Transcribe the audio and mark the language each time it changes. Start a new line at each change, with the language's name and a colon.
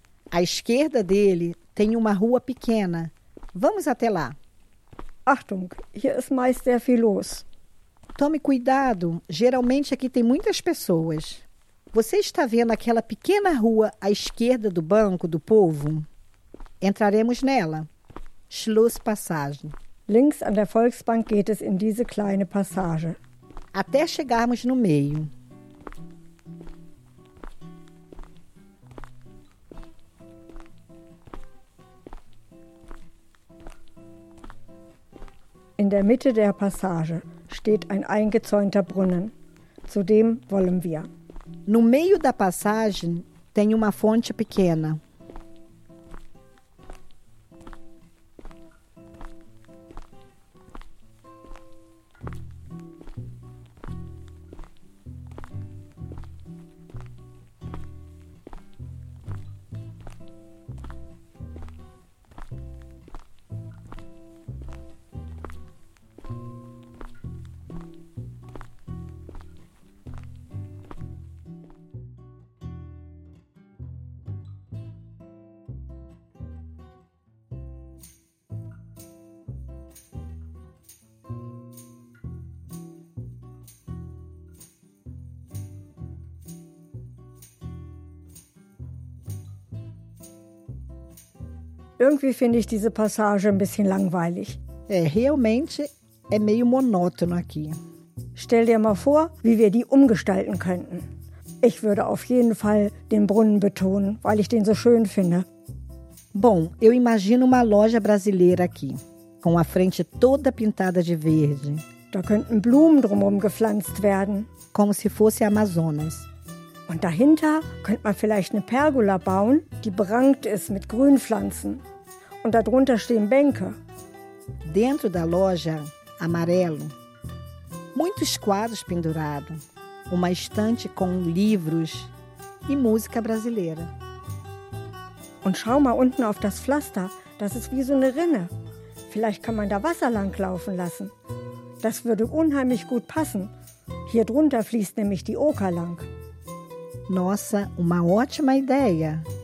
Portuguese: À esquerda dele tem uma rua pequena. Vamos até lá.
German: Achtung, hier ist meist sehr viel los.
Portuguese: Tome cuidado, geralmente aqui tem muitas pessoas. Você está vendo aquela pequena rua à esquerda do Banco do Povo? Entraremos nela. Schlosspassage.
German: Links an der Volksbank geht es in diese kleine Passage.
Portuguese: Até chegarmos no meio.
German: In der Mitte der Passage steht ein eingezäunter Brunnen. Zu dem wollen wir.
Portuguese: No meio da passagem tem uma fonte pequena.
German: Irgendwie finde ich diese Passage ein bisschen langweilig.
Portuguese: É, realmente é meio monótono aqui.
German: Stell dir mal vor, wie wir die umgestalten könnten. Ich würde auf jeden Fall den Brunnen betonen, weil ich den so schön finde.
Portuguese: Bom, eu imagino uma loja brasileira aqui, com a frente toda pintada de verde.
German: Da könnten Blumen drumherum gepflanzt werden.
Portuguese: Como se fosse Amazonas.
German: Und dahinter könnte man vielleicht eine Pergola bauen, die berankt ist mit Grünpflanzen. Und darunter stehen Bänke.
Portuguese: Dentro da loja, amarelo, muitos quadros pendurados, uma estante com livros e música brasileira.
German: Und schau mal unten auf das Pflaster, das ist wie so eine Rinne. Vielleicht kann man da Wasser langlaufen lassen. Das würde unheimlich gut passen. Hier drunter fließt nämlich die Oker lang.
Portuguese: Nossa, uma ótima ideia.